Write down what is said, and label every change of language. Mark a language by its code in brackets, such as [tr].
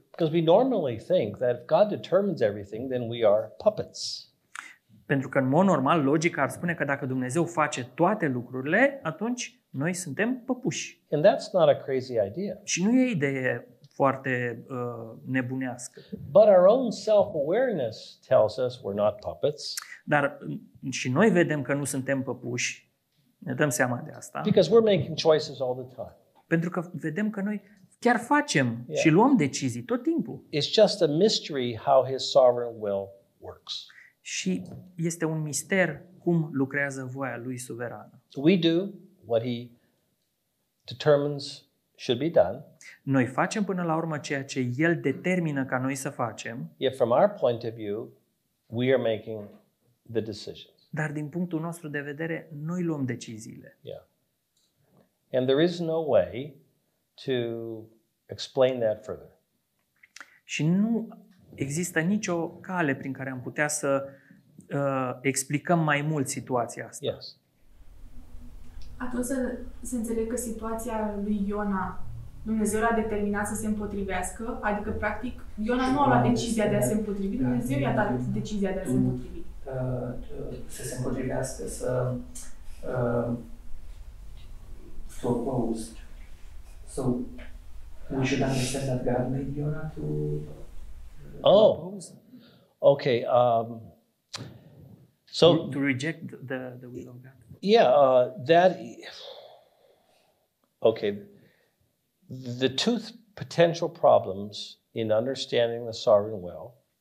[en] Because we normally think that if God determines everything, then we are puppets. [ro] Pentru că în mod normal, logica ar spune că dacă Dumnezeu face toate lucrurile, atunci noi suntem păpuși. [en] And that's not a crazy idea. [ro] Și nu e idee foarte nebunească. [en] But our own self-awareness tells us we're not puppets. [ro] Dar și noi vedem că nu suntem păpuși. Ne dăm seama de asta. [en] Because we're making choices all the time. [ro] Pentru că vedem că noi chiar facem și luăm decizii tot timpul. [en] It's just a mystery how his sovereign will works. [ro] Și este un mister cum lucrează voia lui suverană. [en] We do what he determines should be done. [ro] Noi facem până la urmă ceea ce el determină ca noi să facem. [en] Yet from our point of view, we are making the decisions. [ro] Dar din punctul nostru de vedere, noi luăm deciziile. [en] Yeah. And there is no way to explain that further. [ro] Și nu există nicio cale prin care am putea să explicăm mai mult situația asta. [en] Yes. [ro] Atunci să înțeleg că situația lui Iona, Dumnezeu l-a determinat să se împotrivească, adică practic Iona nu a luat decizia de a se împotrivi, Dumnezeu i-a dat decizia de a se împotrivi. Să se împotrivească, să s-o [en] opposed. So, we should understand that God made Iona to... Oh, okay. So to reject the will of God. Yeah, that. Okay, the two potential problems in understanding the sovereign will.